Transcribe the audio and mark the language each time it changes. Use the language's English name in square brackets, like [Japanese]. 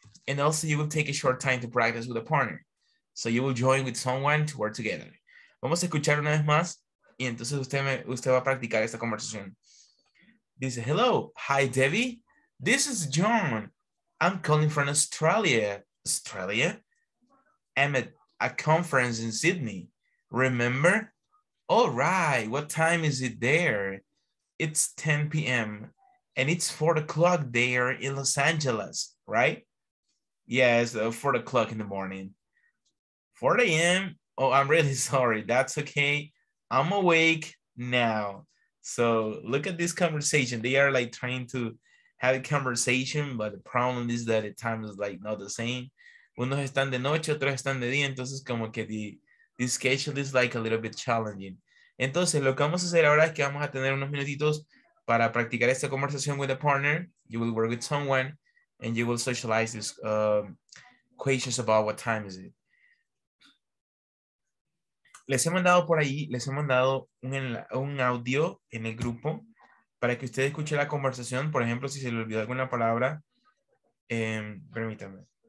[English] And also, you will take a short time to practice with a partner. So you will join with someone to work together. [Spanish] Vamos a escuchar una vez más. Y entonces usted va a practicar esta conversación. Dice, [English] hello. Hi, Debbie. This is John. I'm calling from Australia. Australia? I'm at a conference in Sydney. Remember? All right. What time is it there? It's 10 p.m. and it's 4 o'clock there in Los Angeles, right? Yes, yeah, 4 o'clock in the morning. 4 a.m.? Oh, I'm really sorry. That's okay. I'm awake now. So look at this conversation. They are like trying to have a conversation, but the problem is that the time is like not the same. [Spanish] Unos están de noche, otros están de día. Entonces como que [English] the schedule is like a little bit challenging. [Spanish] Entonces lo que vamos a hacer ahora es que vamos a tener unos minutitos para practicar esta conversación [English] with a partner. You will work with someone and you will socialize these questions about what time is it. [Spanish] Les he mandado por ahí, les he mandado un audio en el grupo para que usted escuche la conversación. Por ejemplo, si se le olvidó alguna palabra, permítame.